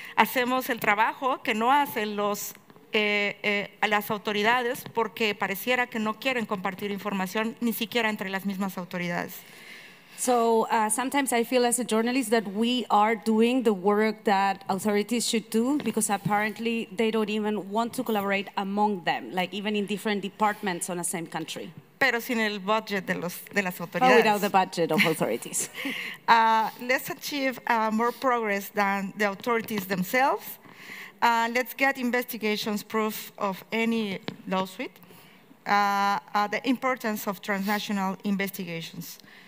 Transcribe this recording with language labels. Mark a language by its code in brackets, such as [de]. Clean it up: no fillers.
[es] Hacemos el trabajo que no hacen los a las autoridades porque pareciera que no quieren compartir información ni siquiera entre las mismas autoridades. [en] So sometimes I feel as a journalist that we are doing the work that authorities should do because apparently they don't even want to collaborate among them, like even in different departments on the same country. [es] Pero sin el budget de los de las autoridades. [en] But without the budget of authorities. let's achieve more progress than the authorities themselves. Let's get investigations proof of any lawsuit. The importance of transnational investigations.